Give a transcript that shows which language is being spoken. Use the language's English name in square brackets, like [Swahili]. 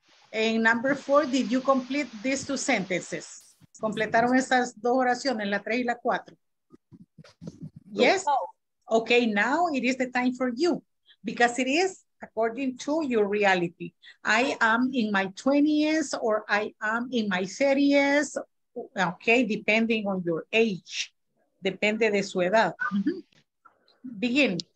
[English] En number four, did you complete these two sentences? [Spanish] ¿Completaron esas dos oraciones, la tres y la cuatro? [English] Yes? Ok, now it is the time for you. Because it is according to your reality. I am in my 20s or I am in my 30s. Okay, depending on your age. [Spanish] Depende de su edad. [English] Mm-hmm. Begin.